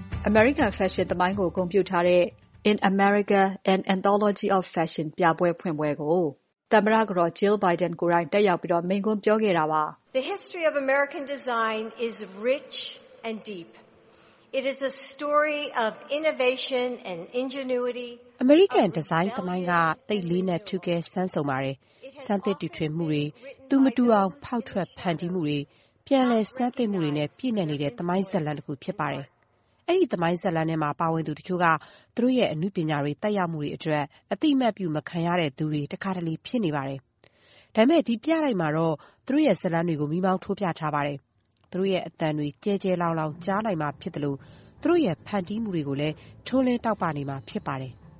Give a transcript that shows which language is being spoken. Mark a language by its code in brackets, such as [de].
[my] American Fashion သမိုင်းကိုဂုဏ်ပြုထားတဲ့ In America an Anthology of Fashion ပြပွဲဖွင့်ပွဲကိုတမရကတော့ Jill Biden ကိုရိုင်းတက်ရောက်ပြီးတော့မိန့်ခွန်းပြောခဲ့တာပါ [en] The history of American design is rich and deep. It is a story of innovation and ingenuity. [my] American design သမိုင်းကတိတ်လေးနဲ့ထူးကဲဆန်းစုံပါတယ်။စံသစ်တီထွင်မှုတွေ၊သူမတူအောင်ဖောက်ထွက်ဖန်တီးမှုတွေ၊ပြန်လည်ဆန်းသစ်မှုတွေနဲ့ပြည့်နေနေတဲ့သမိုင်းဇာတ်လမ်းတစ်ခုဖြစ်ပါတယ်။အဲ့ဒီသမိုင်းဇာတ်လမ်းထဲမှာပါဝင်သူတချို့က သူတို့ရဲ့အနုပညာတွေတက်ရောက်မှုတွေအတွက်အတိမတ်ပြုမခံရတဲ့သူတွေတခါတလေဖြစ်နေပါတယ်။ဒါပေမဲ့ဒီပြလိုက်မှာတော့သူတို့ရဲ့ဇာတ်လမ်းတွေကိုမိမောင်းထိုးပြထားပါတယ်။သူတို့ရဲ့အတန်တွေကြဲကြဲလောင်လောင်ကြားနိုင်မှာဖြစ်တယ်လို့သူတို့ရဲ့ဖန်တီးမှုတွေကိုလည်းထိုးလင်းတောက်ပါနေမှာဖြစ်ပါတယ်